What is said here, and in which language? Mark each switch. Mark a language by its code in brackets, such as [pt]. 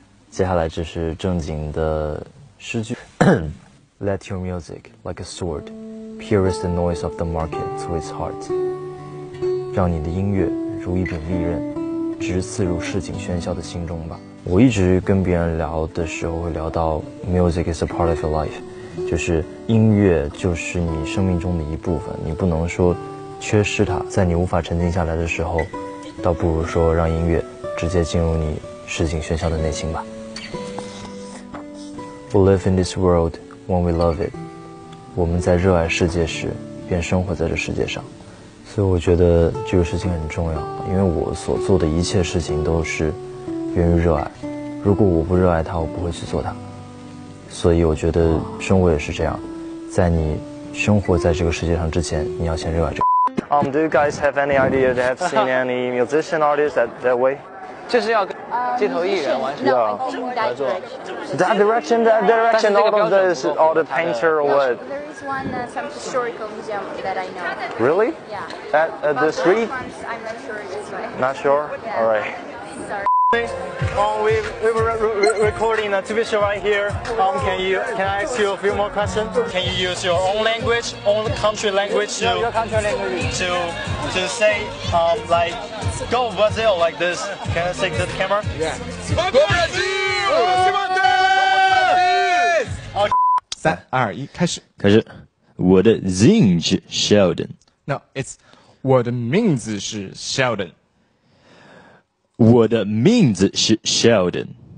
[zh] 接下来这是正经的诗句。 [en] Let your music, like a sword, pierce the noise of the market to its heart. [zh] 让你的音乐如一柄利刃，直刺入市井喧嚣的心中吧。我一直跟别人聊的时候会聊到 [en] music is a part of your life， [zh] 就是音乐就是你生命中的一部分，你不能说缺失它。在你无法沉浸下来的时候，倒不如说让音乐直接进入你市井喧嚣的内心吧。 [en] We live in this world when we love it， [zh] 我们在热爱世界时便生活在这世界上，所以我觉得这个事情很重要，因为我所做的一切事情都是源于热爱，如果我不热爱它，我不会去做它。所以我觉得生活也是这样，在你生活在这个世界上之前，你要先热爱这个。 [en] Do you guys have any idea that have seen any musician artists that way？ [zh] 就是要街头艺人完全来做。 [en] That direction, all of the, all the painter or what? There is one at some historical museum that I know. Really? Yeah. At the street? I'm not sure it is right. Not sure? Yeah. All right. Sorry. We were recording a TV show right here. Can I ask you a few more questions? Can you use your own language, own country language to say, like, go Brazil like this? Can I take the camera? Yeah. Go Brazil! Come on, guys! 3, 2, 1, [zh] 开始。我的名字是 Sheldon. [en] No, it's [zh] 我的名字是 Sheldon. 我的名字是 Sheldon.